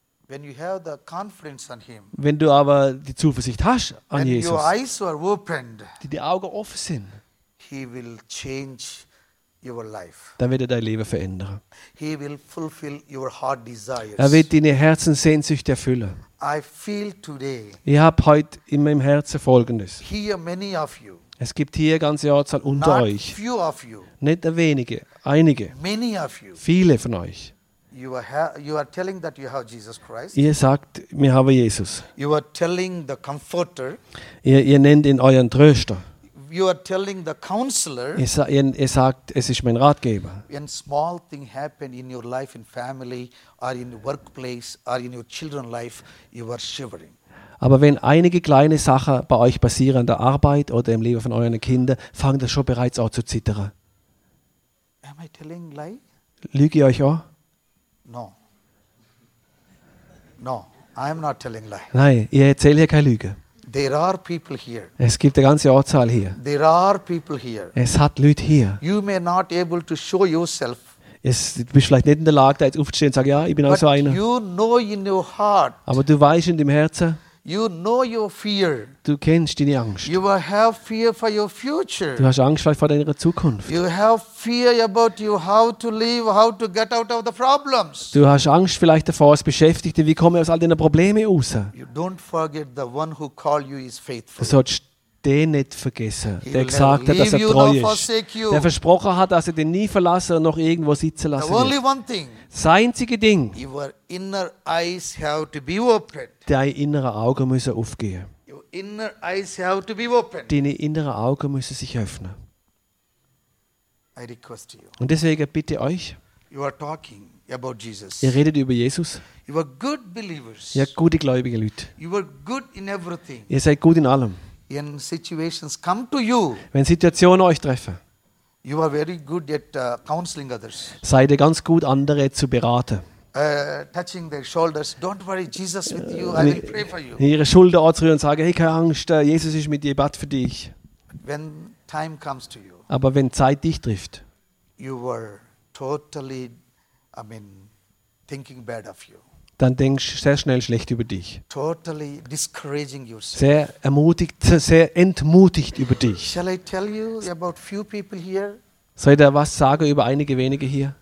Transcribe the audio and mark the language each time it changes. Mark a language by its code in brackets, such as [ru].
[en] When you have the confidence on him, [de] wenn du aber die Zuversicht hast an Jesus, [en] your eyes are opened, [de] die Augen offen sind, [en] he will change your life. [de] Dann wird er dein Leben verändern. [en] He will fulfill your heart desires. [de] Er wird deine Herzenssehnsüchte erfüllen. [en] I feel today, [de] ich habe heute in meinem Herzen Folgendes. Hier [en] many of you, [de] es gibt hier eine ganze Anzahl unter [en] Not [de] euch. [en] Few of you, [de] nicht wenige, einige. [en] Many of you, [de] viele von euch. [en] You are telling that you have Jesus Christ. [de] Ihr sagt, wir haben Jesus. [en] You are telling the Comforter. [de] Ihr nennt ihn euren Tröster. [en] You are telling the Counselor. [de] Ihr sagt, es ist mein Ratgeber. [en] When small thing happen in your life, in family, or in workplace, or in your children's life, you are shivering. [de] Aber wenn einige kleine Sachen bei euch passieren, an der Arbeit oder im Leben von euren Kindern, fangt ihr schon bereits an zu zittern. [en] Am I telling lie? [de] Lüge ich euch an? [en] No. No, I am not telling lie. [de] Nein, ich erzähle hier keine Lüge. [en] There are people here. [de] Es gibt eine ganze Anzahl hier. [en] There are people here. [de] Es hat Leute hier. [en] You may not able to show yourself. [de] Du bist vielleicht nicht in der Lage, da jetzt aufzustehen und sagen, ja, ich bin auch so einer. [en] You know in your heart, [de] aber du weißt in deinem Herzen, [en] you know your fear. [de] Du kennst deine Angst. [en] You have fear for your future. [de] Du hast Angst vor deiner Zukunft. [en] You have fear about you how to live, how to get out of the problems. [de] Du hast Angst vielleicht davor, als Beschäftigte, wie komme ich aus all deinen Problemen raus? [en] You don't forget the one who called you is faithful. [de] Du sollst den nicht vergessen, der gesagt hat, dass er treu ist. Der versprochen hat, dass er den nie verlassen und noch irgendwo sitzen lassen wird. [en] Only one thing. [de] Das einzige Ding. [en] Your inner eyes have to be opened. [de] Deine inneren Augen müssen aufgehen. [en] Your inner eyes have to be opened. [de] Deine inneren Augen müssen sich öffnen. [en] I request you. [de] Und deswegen bitte euch. [en] You are talking about Jesus. [de] Ihr redet über Jesus. [en] You are good believers. [de] Ihr habt gute gläubige Leute. [en] You are good in everything. [de] Ihr seid gut in allem. [en] When situations come to you, [de] wenn Situationen euch treffen, [en] you are very good at counseling others. [de] Seid ihr ganz gut, andere zu beraten. [en] Touching their shoulders. Don't worry, Jesus with you. I will pray for you. [de] Ihre Schulter anzurühren und sagen, hey, keine Angst, Jesus ist mit dir, bat für dich. [en] When time comes to you, [de] aber wenn Zeit dich trifft, [en] you were totally, I mean, thinking bad of you. [de] Dann denkst du sehr schnell schlecht über dich. [en] Totally discouraging yourself. [de] Sehr ermutigt, sehr entmutigt über dich. [en] Shall I tell you about few people here? [de] Soll ich dir was sagen über einige wenige hier?